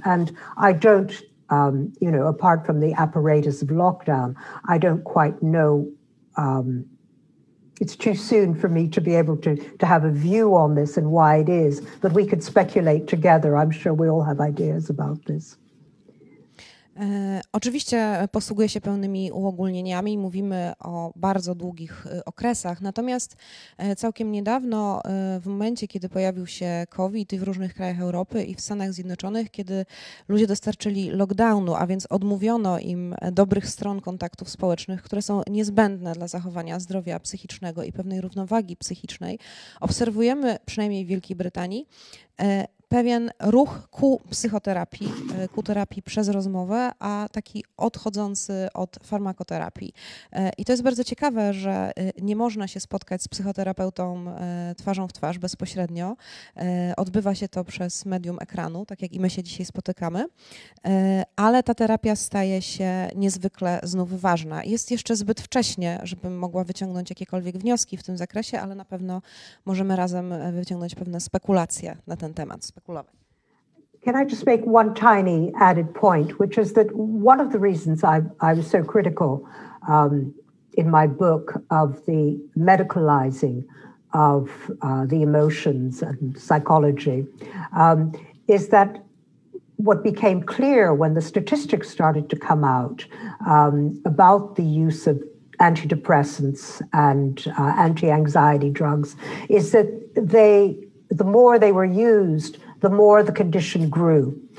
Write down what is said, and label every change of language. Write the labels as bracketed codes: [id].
[en] And I don't, apart from the apparatus of lockdown, I don't quite know. It's too soon for me to be able to have a view on this and why it is, but we could speculate together. I'm sure we all have ideas about this. [pl] Oczywiście posługuję się pełnymi uogólnieniami, mówimy o bardzo długich okresach, natomiast całkiem niedawno, w momencie kiedy pojawił się COVID i w różnych krajach Europy i w Stanach Zjednoczonych, kiedy ludzie dostarczyli lockdownu, a więc odmówiono im dobrych stron kontaktów społecznych, które są niezbędne dla zachowania zdrowia psychicznego i pewnej równowagi psychicznej, obserwujemy, przynajmniej w Wielkiej Brytanii, pewien ruch ku psychoterapii, ku terapii przez rozmowę, a taki odchodzący od farmakoterapii. I to jest bardzo ciekawe, że nie można się spotkać z psychoterapeutą twarzą w twarz bezpośrednio. Odbywa się to przez medium ekranu, tak jak i my się dzisiaj spotykamy. Ale ta terapia staje się niezwykle znów ważna. Jest jeszcze zbyt wcześnie, żebym mogła wyciągnąć jakiekolwiek wnioski w tym zakresie, ale na pewno możemy razem wyciągnąć pewne spekulacje na ten temat. [en] Can I just make one tiny added point, which is that one of the reasons I was so critical in my book of the medicalizing of the emotions and psychology is that what became clear when the statistics started to come out about the use of antidepressants and anti-anxiety drugs is that the more they were used, the more the condition grew.